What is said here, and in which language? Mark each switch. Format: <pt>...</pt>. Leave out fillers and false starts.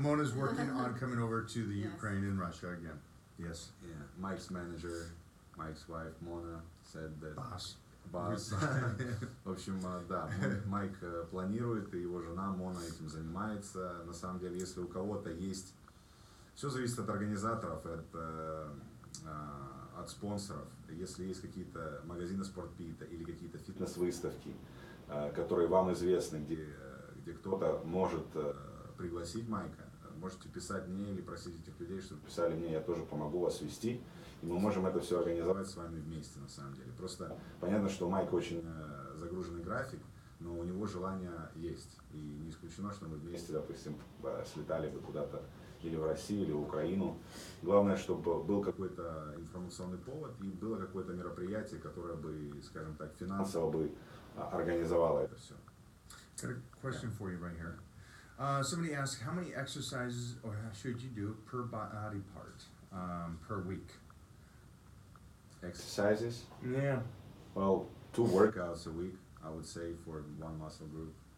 <en>Mona's working on coming over to the Ukraine and Russia again. Yes. Yeah. Mike's manager, Mike's wife, Mona, said that... Boss.</en> <ru>В общем, да, Майк планирует, и его жена Мона этим занимается. На самом деле, если у кого-то есть... Все зависит от организаторов, от спонсоров. Если есть какие-то магазины спортпита или какие-то фитнес-выставки, которые вам известны, где кто-то может пригласить Майка, можете писать мне или просить этих людей, чтобы писали мне, я тоже помогу вас вести, и мы можем это все организовать с вами вместе, на самом деле. Просто понятно, что Майк очень загруженный график, но у него желание есть. И не исключено, что мы вместе, допустим, слетали бы куда-то или в Россию, или в Украину. Главное, чтобы был какой-то информационный повод и было какое-то мероприятие, которое бы, скажем так, финансово бы организовало это все.</ru> <en>Got a question for you right here. Somebody asked, how many exercises or how should you do per body part per week? Exercises? Yeah. Well, two workouts a week, I would say, for one muscle group.</en>